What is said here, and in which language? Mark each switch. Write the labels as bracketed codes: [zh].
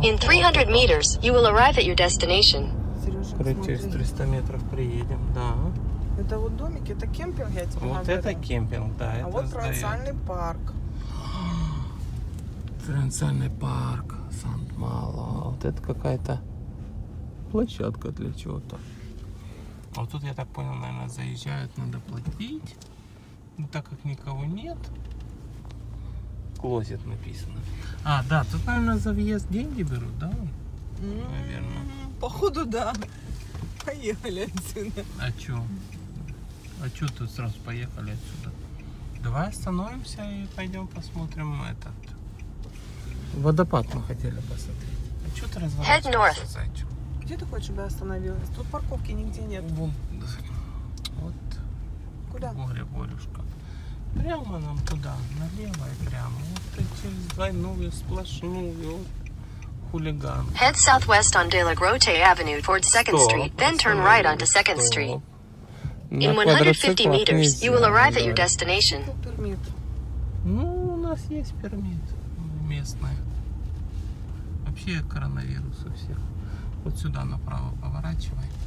[en] In 300 meters, you will arrive at your destination. [ru] Через 300 метров приедем, да. Это вот домик, это кемпинг, я тебе вот говорю. Вот это кемпинг, да. А это вот провинциальный парк. Провинциальный парк, Сант-Мало. Вот это какая-то площадка для чего-то. А вот тут, я так понял, наверное, заезжают, надо платить. Но так как никого нет. Клозет написано. А, да, тут, наверное, за въезд деньги берут, да? Наверное. Походу, да. Поехали отсюда. А чё? А чё тут сразу поехали отсюда? Давай остановимся и пойдем посмотрим этот. Водопад мы хотели посмотреть. А чё ты разворачиваешься, зайчик? Где ты хочешь, чтобы я остановилась? Тут парковки нигде нет. Вон. Вот. Куда? Горе-горюшка. Прямо нам туда, налево и прямо. Вот через двойную сплошную. Хулиган. [en] Head southwest on De La Grote Avenue toward 2nd Street, then turn right onto 2nd Street. In 150 meters, you will arrive at your destination. [ru] Пермит. Ну, у нас есть пермит местный. Вообще коронавирус у всех. Вот сюда направо поворачивай.